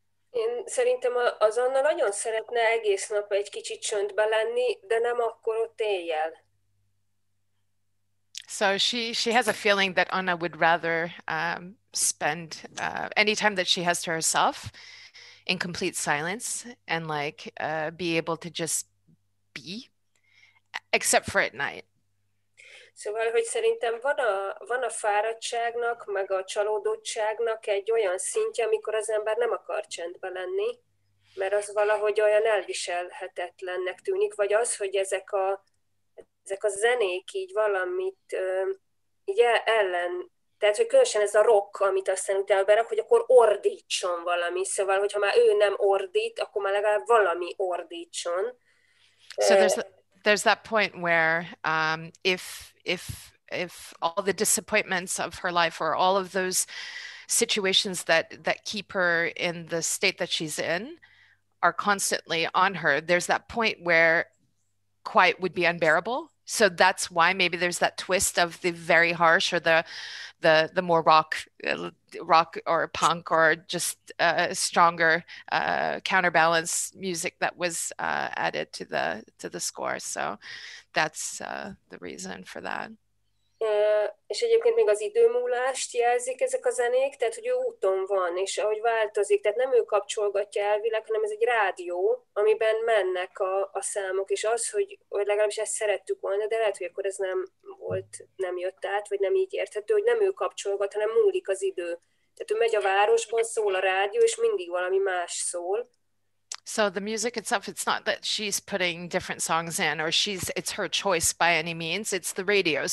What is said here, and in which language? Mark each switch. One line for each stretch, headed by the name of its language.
Hungarian: Én szerintem az Anna nagyon szeretne egész nap egy kicsit csöndbe lenni, de nem akkor ott éjjel.
English: So she has a feeling that Anna would rather spend any time that she has to herself in complete silence and like be able to just be, except for at night.
Hungarian: Szóval, hogy szerintem van a fáradtságnak, meg a csalódottságnak egy olyan szintje, amikor az ember nem akar csendben lenni, mert az valahogy olyan elviselhetetlennek tűnik, vagy az, hogy ezek a zenék így valamit így ellen, tehát, hogy különösen ez a rock, amit aztán utána berak, hogy akkor ordítson valami. Szóval, hogyha már ő nem ordít, akkor már legalább valami ordítson.
English: So there's that point where if all the disappointments of her life or all of those situations that keep her in the state that she's in are constantly on her, there's that point where quiet would be unbearable. So that's why maybe there's that twist of the very harsh or the more rock or punk or just stronger counterbalance music that was added to the score. So that's the reason for that.
Hungarian: És egyébként még az időmúlást jelzik ezek a zenék, tehát hogy ő úton van, és ahogy változik, tehát nem ő kapcsolgatja elvileg, hanem ez egy rádió, amiben mennek a számok, és az, hogy legalábbis ezt szerettük volna, de lehet, hogy akkor ez nem jött át, vagy nem így érthető, hogy nem ő kapcsolgat, hanem múlik az idő. Tehát ő megy a városban, szól a rádió, és mindig valami más szól.
English: So the music itself, it's not that she's putting different songs in or it's her choice by any means, it's the radio.